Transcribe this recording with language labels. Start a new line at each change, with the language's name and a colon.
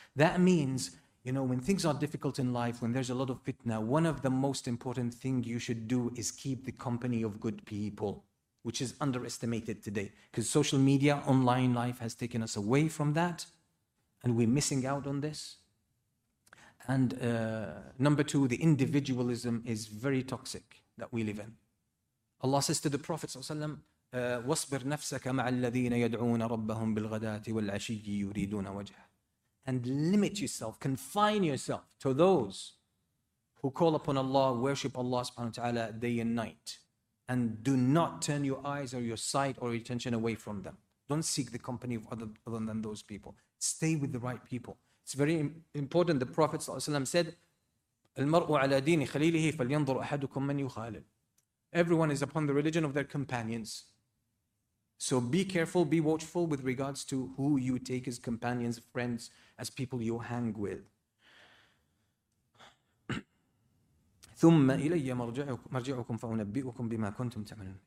English: That means, you know, when things are difficult in life, when there's a lot of fitna, one of the most important thing you should do is keep the company of good people, which is underestimated today. Because social media, online life has taken us away from that. And we're missing out on this. And number two, the individualism is very toxic that we live in. Allah says to the Prophet
Arabic: وَاصْبِرْ نَفْسَكَ مَعَ الَّذِينَ يَدْعُونَ رَبَّهُمْ بِالْغَدَاتِ وَالْعَشِيِّ يُرِيدُونَ وَجْهَ.
English: And limit yourself, confine yourself to those who call upon Allah, worship Allah subhanahu wa ta'ala day and night. And do not turn your eyes or your sight or your attention away from them. Don't seek the company of other than those people. Stay with the right people. It's very important. The Prophet ﷺ said,
Arabic: "الْمَرْءُ عَلَى دِينِ خَلِيلِهِ فَلْيَنْظُرْ أَحَدُكُمْ مَنْ يُخَالِلُ."
English: Everyone is upon the religion of their companions. So be careful, be watchful with regards to who you take as companions, friends, as people you hang with.
Arabic: ثُمَّ إِلَيَّ مَرْجِعُكُمْ فَأُنَبِّئُكُمْ بِمَا كُنْتُمْ تَعْمَلُونَ.